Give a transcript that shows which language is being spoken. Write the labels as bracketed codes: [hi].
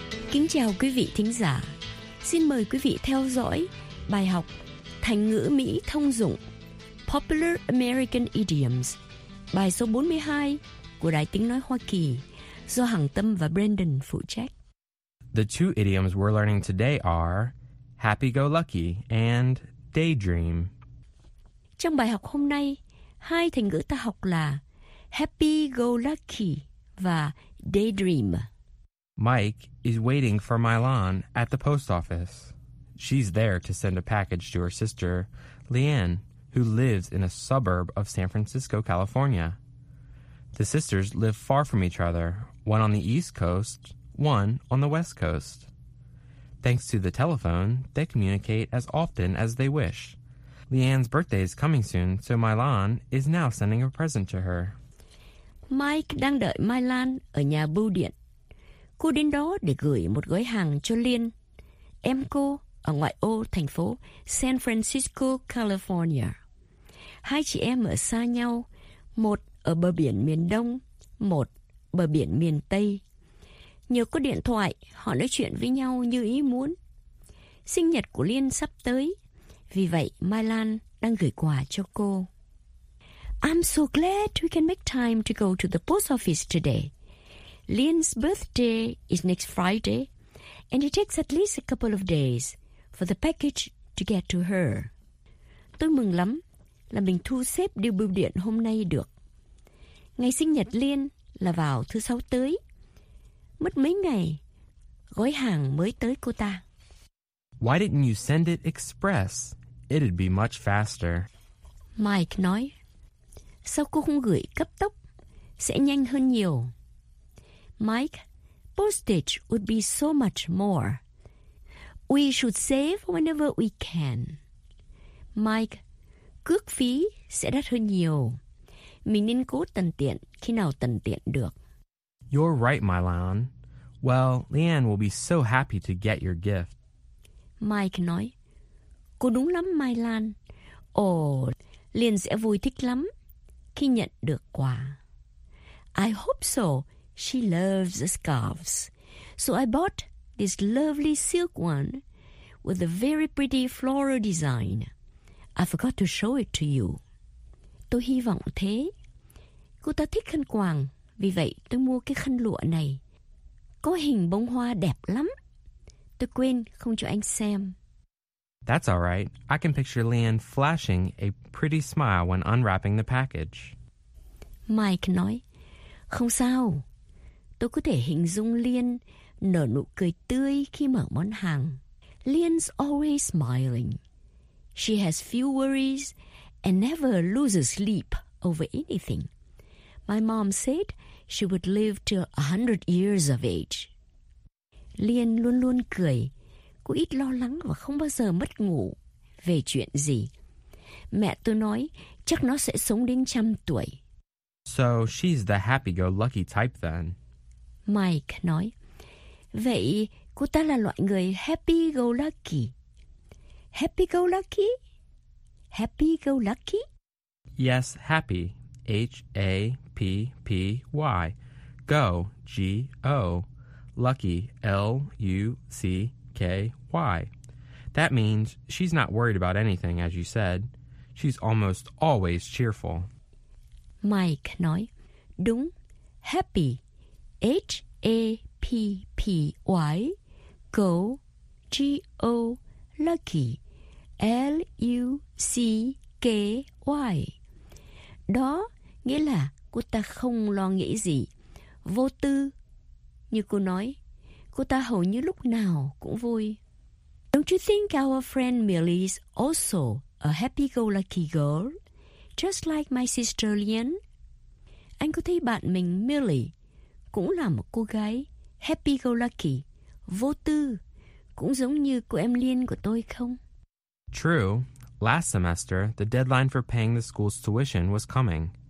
[vi] Kính chào quý vị thính giả. Xin mời quý vị theo dõi bài học Thành ngữ Mỹ thông dụng Popular American Idioms, bài số 42 của Đài Tiếng Nói Hoa Kỳ, do Hằng Tâm và Brandon phụ trách. [en] The two idioms we're learning today are happy-go-lucky and daydream. [vi] Trong bài học hôm nay, hai thành ngữ ta học là happy-go-lucky và daydream. [en] Mike is waiting for Mylon at the post office. She's there to send a package to her sister, Leanne, who lives in a suburb of San Francisco, California. The sisters live far from each other, one on the East Coast, one on the West Coast. Thanks to the telephone, they communicate as often as they wish. Leanne's birthday is coming soon, so Mylon is now sending a present to her. [vi] Mike đang đợi Mylon ở nhà bưu điện. Cô đến đó để gửi một gói hàng cho Liên, em cô ở ngoại ô thành phố San Francisco, California. Hai chị em ở xa nhau, một ở bờ biển miền Đông, một bờ biển miền Tây. Nhờ có điện thoại, họ nói chuyện với nhau như ý muốn. Sinh nhật của Liên sắp tới, vì vậy Mai Lan đang gửi quà cho cô. [en] I'm so glad we can make time to go to the post office today. Liên's birthday is next Friday, and it takes at least a couple of days for the package to get to her. [vi] Tôi mừng lắm là mình thu xếp điều bưu điện hôm nay được. Ngày sinh nhật Liên là vào thứ sáu tới. Mất mấy ngày, gói hàng mới tới cô ta. [en] Why didn't you send it express? It'd be much faster. [vi] Mike nói, sao cô không gửi cấp tốc? Sẽ nhanh hơn nhiều. [en] Mike, postage would be so much more. We should save whenever we can. Mike, [vi] cước phí sẽ đắt hơn nhiều. Mình nên cố tận tiện khi nào tận tiện được. [en] You're right, Mylon. Well, Leanne will be so happy to get your gift. [vi] Mike nói, cô đúng lắm, Mylon. Oh, Leanne sẽ vui thích lắm khi nhận được quà. [en] I hope so. She loves the scarves. So I bought this lovely silk one with a very pretty floral design. I forgot to show it to you. [vi] Tôi hy vọng thế. Cô ta thích khăn quàng, vì vậy tôi mua cái khăn lụa này. Có hình bông hoa đẹp lắm. Tôi quên không cho anh xem. [en] That's all right. I can picture Leanne flashing a pretty smile when unwrapping the package. [vi] Mike nói, không sao. Tôi có thể hình dung Liên nở nụ cười tươi khi mở món hàng. [en] Liên's always smiling. She has few worries and never loses sleep over anything. My mom said she would live to 100 years of age. [vi] Liên luôn luôn cười. Cô ít lo lắng và không bao giờ mất ngủ về chuyện gì. Mẹ tôi nói chắc nó sẽ sống đến 100 tuổi. [en] So she's the happy-go-lucky type then. [vi] Mike nói, vậy cô ta là loại người happy-go-lucky. Happy-go-lucky? Happy-go-lucky? [en] Yes, happy. H-A-P-P-Y. Go. G-O. Lucky. L-U-C-K-Y. That means she's not worried about anything, as you said. She's almost always cheerful. [vi] Mike nói, đúng, happy, H-A-P-P-Y, go, G-O, lucky, L-U-C-K-Y. Đó nghĩa là cô ta không lo nghĩ gì, vô tư. Như cô nói, cô ta hầu như lúc nào cũng vui. [en] Don't you think our friend Millie is also a happy-go-lucky girl, just like my sister Lian? [vi] Anh có thấy bạn mình Millie cũng là một cô gái happy-go-lucky, vô tư, cũng giống như cô em Lian của tôi không? [en] True. Last semester, the deadline for paying the school's tuition was coming.